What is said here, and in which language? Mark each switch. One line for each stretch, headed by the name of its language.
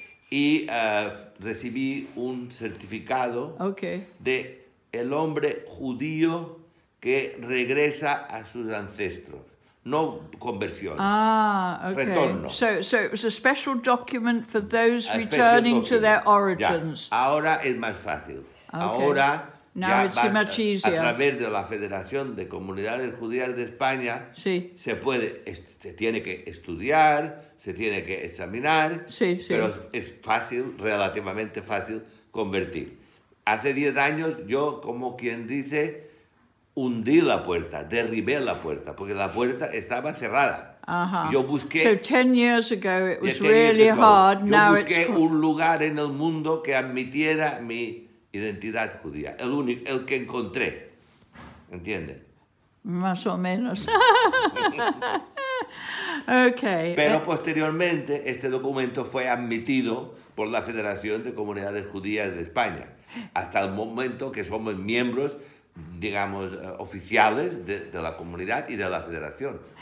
Spanish: Y recibí un certificado,
English: okay,
Spanish: de el hombre judío que regresa a sus ancestros. No conversión.
English: Ah, okay.
Spanish: Retorno.
English: So it was a special document for those a returning to their origins.
Spanish: Ya. Ahora es más fácil.
English: Okay.
Spanish: Ahora...
English: Now it's so much easier.
Spanish: A través de la Federación de Comunidades Judías de España, sí, se puede, se tiene que estudiar, se tiene que examinar, sí, sí, pero es fácil, relativamente fácil, convertir. Hace 10 años yo, como quien dice, hundí la puerta, derribé la puerta, porque la puerta estaba cerrada. Uh-huh. Yo busqué,
English: so 10 years ago it was really hard.
Spanish: Yo
English: now
Spanish: busqué
English: it's...
Spanish: un lugar en el mundo que admitiera mi identidad judía, el único, el que encontré, ¿entiende? Más o menos.
English: Okay.
Spanish: Pero posteriormente este documento fue admitido por la Federación de Comunidades Judías de España, hasta el momento que somos miembros, digamos, oficiales de la comunidad y de la federación.